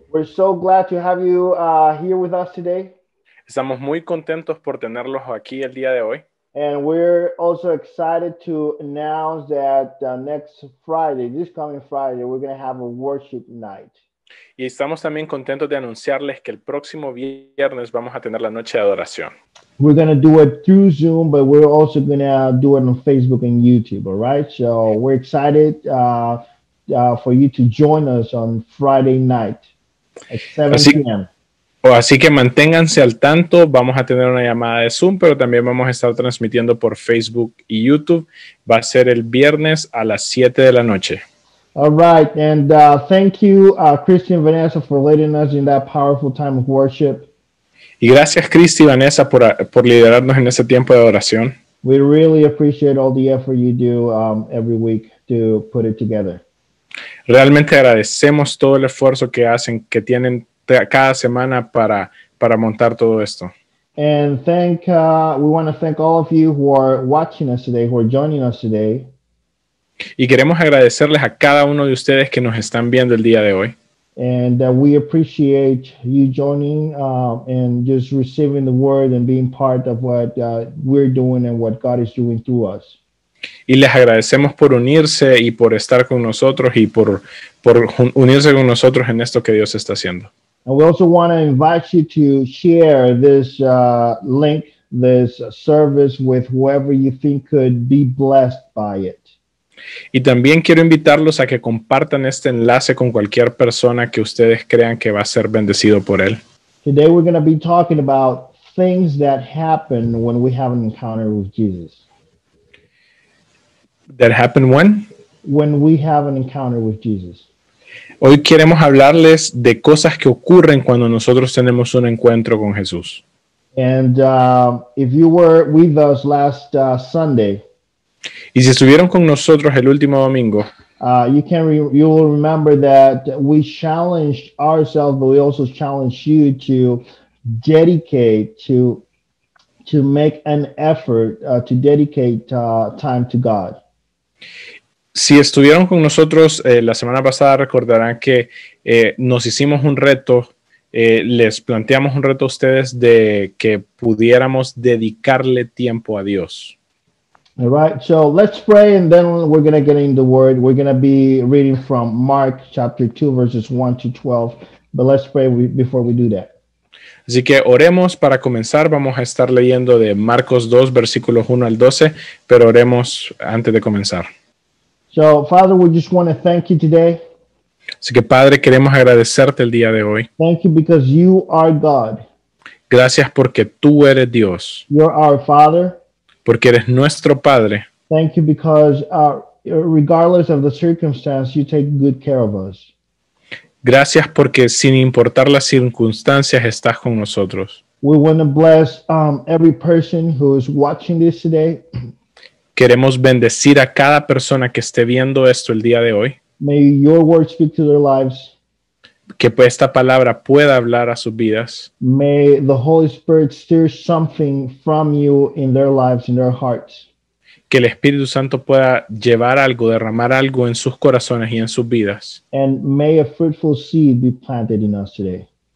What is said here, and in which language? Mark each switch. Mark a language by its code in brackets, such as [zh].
[en] We're so glad to have you here with us today. [es] Estamos muy contentos por tenerlos aquí el día de hoy. [en] And we're also excited to announce that next Friday, this coming Friday, we're going to have a worship night. [es] Y estamos también contentos de anunciarles que el próximo viernes vamos a tener la noche de adoración. [en] We're going to do it through Zoom, but we're also going to do it on Facebook and YouTube, all right? So we're excited for you to join us on Friday night at 7 p.m. [es] Así que manténganse al tanto. Vamos a tener una llamada de Zoom, pero también vamos a estar transmitiendo por Facebook y YouTube. Va a ser el viernes a las 7 de la noche. [en] All right. And thank you, Christy and Vanessa, for leading us in that powerful time of worship. [es] Y gracias, Christy y Vanessa, por liderarnos en ese tiempo de oración. [en] We really appreciate all the effort you do every week to put it together. [es] Realmente agradecemos todo el esfuerzo que hacen, que tienen cada semana para montar todo esto. [en] And we want to thank all of you who are watching us today, who are joining us today. [es] Y queremos agradecerles a cada uno de ustedes que nos están viendo el día de hoy. [en] And we appreciate you joining and just receiving the word and being part of what we're doing and what God is doing through us. [es] Y les agradecemos por unirse y por estar con nosotros y por unirse con nosotros en esto que Dios está haciendo. [en] And we also want to invite you to share this link, this service with whoever you think could be blessed by it. [es] Y también quiero invitarlos a que compartan este enlace con cualquier persona que ustedes crean que va a ser bendecido por él. [en] Today we're going to be talking about things that happen when we have an encounter with Jesus. That happened when? When we have an encounter with Jesus. [es] Hoy queremos hablarles de cosas que ocurren cuando nosotros tenemos un encuentro con Jesús. [en] And if you were with us last Sunday, [es] y si estuvieron con nosotros el último domingo, [en] you will remember that we challenged ourselves, but we also challenged you to dedicate to make an effort to dedicate time to God. [es] Si estuvieron con nosotros la semana pasada, recordarán que nos hicimos un reto. Les planteamos un reto a ustedes de que pudiéramos dedicarle tiempo a Dios. [en] All right, so let's pray and then we're going to get into the word. We're going to be reading from Mark chapter 2, verses 1 to 12. But let's pray before we do that. [es] Así que oremos para comenzar. Vamos a estar leyendo de Marcos 2, versículos 1 al 12, pero oremos antes de comenzar. [en] So, Father, we just want to thank you today. [es] Así que, Padre, queremos agradecerte el día de hoy. [en] Thank you because you are God. [es] Gracias porque tú eres Dios. [en] You're our Father. [es] Porque eres nuestro Padre. [en] Thank you because regardless of the circumstance, you take good care of us. [es] Gracias porque sin importar las circunstancias, estás con nosotros. [en] We want to bless every person who is watching this today. [es] Queremos bendecir a cada persona que esté viendo esto el día de hoy. [en] May your word speak to their lives. [es] Que esta palabra pueda hablar a sus vidas. [en] May the Holy Spirit stir something from you in their lives, in their hearts. [es] Que el Espíritu Santo pueda llevar algo, derramar algo en sus corazones y en sus vidas. [en] And may a fruitful seed be planted in us today.